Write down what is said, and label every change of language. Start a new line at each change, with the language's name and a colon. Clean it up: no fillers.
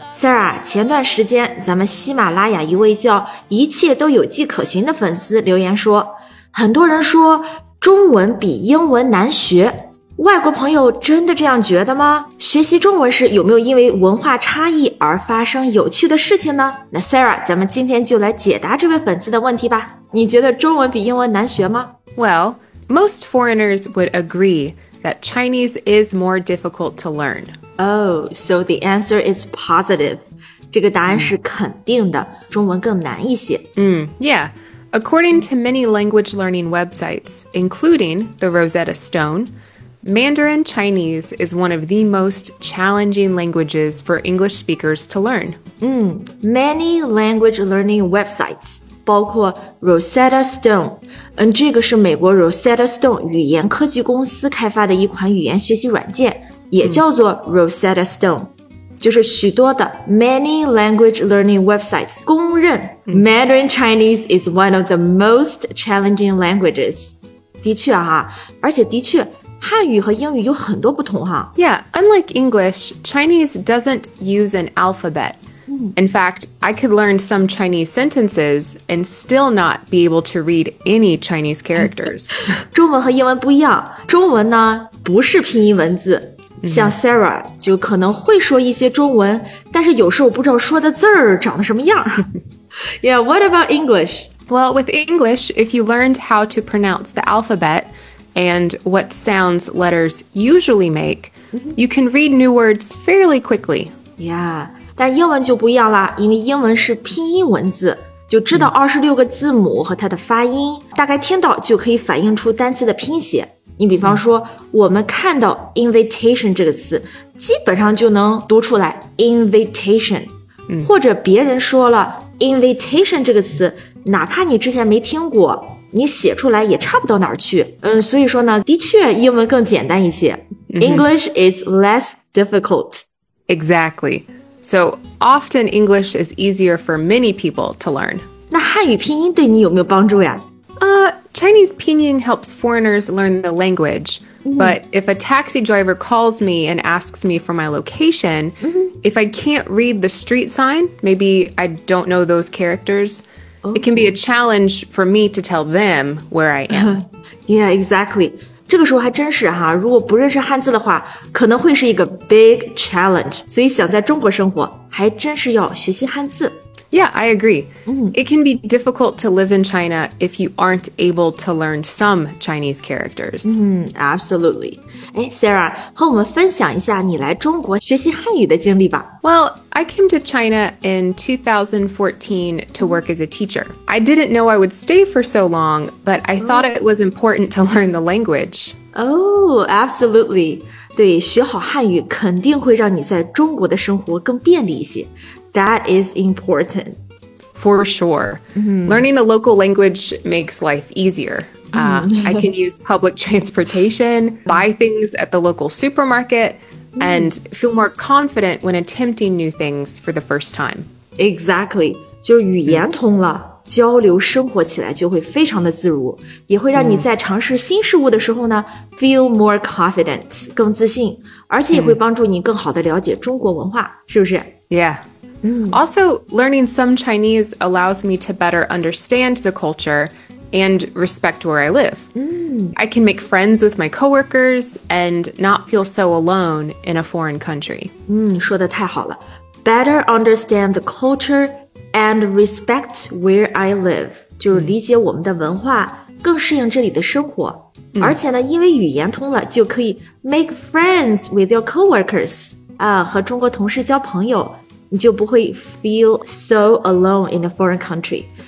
Chinese: Sarah, 前段时间咱们喜马拉雅一位叫一切都有迹可循的粉丝留言说，很多人说中文比英文难学，外国朋友真的这样觉得吗？学习中文时有没有因为文化差异而发生有趣的事情呢？那 Sarah, 咱们今天就来解答这位粉丝的问题吧。你觉得中文比英文难学吗？
English: Well, most foreigners would agree that Chinese is more difficult to learn. Oh, so the answer is positive.
Chinese: 这个答案是肯定的，中文更难一些。
English: Yeah. According to many language learning websites, including the Rosetta Stone, Mandarin Chinese is one of the most challenging languages for English speakers to learn. Many language learning websites,
Chinese: 包括 Rosetta Stone, 这个是美国 Rosetta Stone 语言科技公司开发的一款语言学习软件。也叫做
English: Rosetta Stone,
Chinese: 就是许多的
English: many language learning websites
Chinese: 公认
English: Mandarin Chinese is one of the most challenging languages.
Chinese: 的确啊，而且的确汉语和英语有很多不同啊。
English: Yeah, unlike English, Chinese doesn't use an alphabet. In fact, I could learn some Chinese sentences and still not be able to read any Chinese characters.
Chinese: 中文和英文不一样，中文呢不是拼音文字。像 Sarah 就可能会说一些中文，但是有时候不知道说的字儿长得什么样。
English: Yeah, what about English? Well, with English, if you learned how to pronounce the alphabet and what sounds letters usually make, you can read new words fairly quickly.
Chinese: Yeah, 但英文就不一样啦，因为英文是拼音文字，就知道26个字母和它的发音，大概听到就可以反映出单词的拼写。你比方说我们看到 invitation 这个词基本上就能读出来 invitation, 或者别人说了 invitation 这个词哪怕你之前没听过你写出来也差不到哪儿去。所以说呢的确英文更简单一些。
English: English is less difficult. Exactly. So often English is easier for many people to learn.
Chinese: 那汉语拼音对你有没有帮助呀？
English: Chinese pinyin helps foreigners learn the language, but if a taxi driver calls me and asks me for my location, if I can't read the street sign, maybe I don't know those characters, it can be a challenge for me to tell them where I am. Yeah, exactly.
Chinese: 这个时候还真是哈，如果不认识汉字的话，可能会是一个
English: big challenge.
Chinese: 所以想在中国生活，还真是要学习汉字。
English: Yeah, I agree. It can be difficult to live in China if you aren't able to learn some Chinese characters. Absolutely.
Chinese: Sarah, 和我们分享一下你来中国学习汉语的经历吧。
English: Well, I came to China in 2014 to work as a teacher. I didn't know I would stay for so long, but I thought it was important to learn the language. Oh, absolutely.
Chinese: 对，学好汉语肯定会让你在中国的生活更便利一些。
English: That is important. For sure. Learning the local language makes life easier. I can use public transportation, buy things at the local supermarket, and feel more confident when attempting new things for the first time. Exactly.
Chinese: 就是语言通了，交流生活起来就会非常的自如，也会让你在尝试新事物的时候呢
English: feel more confident,
Chinese: 更自信，而且也会帮助你更好的了解中国文化，是不是？
English: Yeah. Also, learning some Chinese allows me to better understand the culture and respect where I live. I can make friends with my coworkers and not feel so alone in a foreign country.
Chinese: 说得太好了。
English: Better understand the culture and respect where I live.
Chinese: 就是理解我们的文化，更适应这里的生活。而且呢，因为语言通了，就可以
English: make friends with your coworkers.
Chinese: 和中国同事交朋友，你就不会
English: feel so alone in a foreign country.